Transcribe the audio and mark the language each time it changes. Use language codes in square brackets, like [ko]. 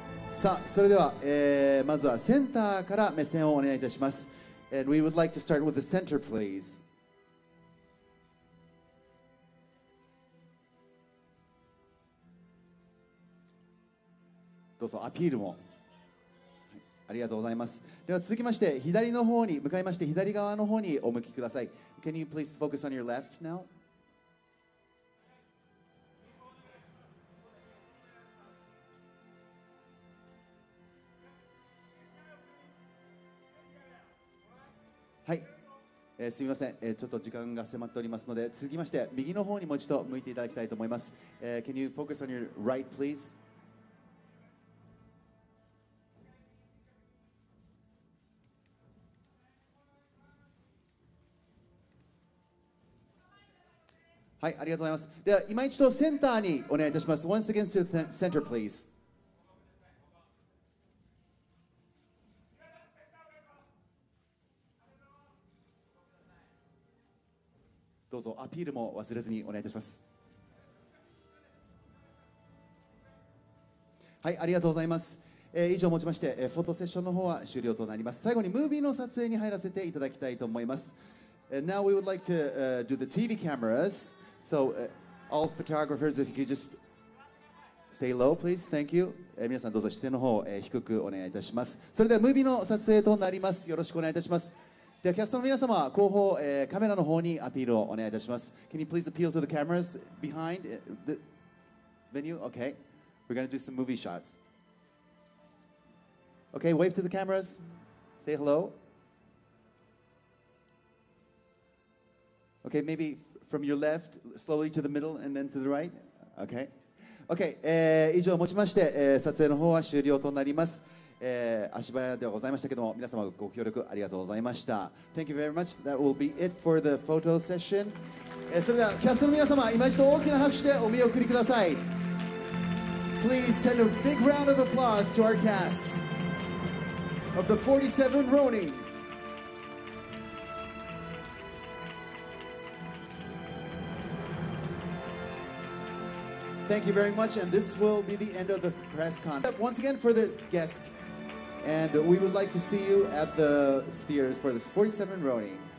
[ja] さあ、それでは、まずはセンターから目線をお願いいたします。 [en] And we would like to start with the center, please. [ja] どうぞ、アピールも、はい。ありがとうございます。では続きまして、左の方に向かいまして、左側の方にお向きください。 [en] Can you please focus on your left now? [ja] すみません、ちょっと時間が迫っておりますので、続きまして右の方にもう一度向いていただきたいと思います。 [en] Can you focus on your right, please? [ja] はい、ありがとうございます。では今一度センターにお願いいたします。 [en] Once again to the center, please. [ja] どうぞアピールも忘れずにお願いいたします。はい、ありがとうございます。以上をもちまして、フォトセッションの方は終了となります。最後にムービーの撮影に入らせていただきたいと思います。 [en] Now we would like to, do the TV cameras. So, all photographers, if you could just stay low, please. Thank you. [ja] 皆さんどうぞ姿勢の方を、低くお願いいたします。それではムービーの撮影となります。よろしくお願いいたします。ではキャストの皆様、後方、カメラの方にアピールをお願いいたします。 [en] Can you please appeal to the cameras behind the venue? Okay. We're going to do some movie shots. Okay, wave to the cameras. Say hello. Okay, maybe from your left, slowly to the middle, and then to the right. Okay. [ja] Okay, 以上をもちまして、撮影の方は終了となります。足早ではございましたけども、皆様ご協力ありがとうございました。 [en] Thank you very much. That will be it for the photo session. [ja] それではキャストの皆様、今一度大きな拍手でお見送りください。 [en] Please send a big round of applause to our cast of the 47 Ronin. Thank you very much. And this will be the end of the press conference. Once again for the guestsAnd we would like to see you at the spheres for this 47 Ronin.